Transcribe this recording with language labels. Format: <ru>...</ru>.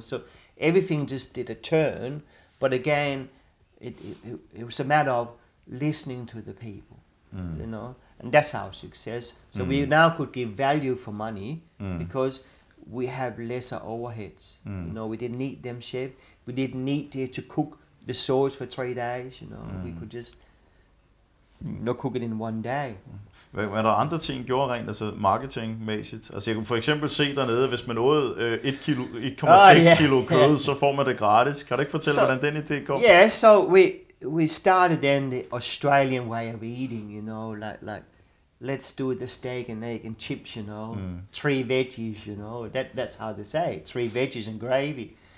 <en>So everything just did a turn, but again, it was a matter of listening to the people, you know, and that's our success. So we now could give value for money because we have lesser overheads. Mm. You know, we didn't need them chef. We didn't need to cook the sauce for 3 days. You know, we could just not cook it in 1 day.</en> <da>Hvad er der andre ting, gjorde rent altså marketingmæssigt? Altså jeg kunne for eksempel se dernede, hvis man åd 1,6 kilo kød, så får man det gratis. Kan du ikke fortælle, hvordan den idé kom?</da> <en>Yeah, so we started then the Australian way of eating, you know, like let's do the steak and egg and chips, you know, 3 veggies, you know, that's how they say, 3 veggies and gravy.</en>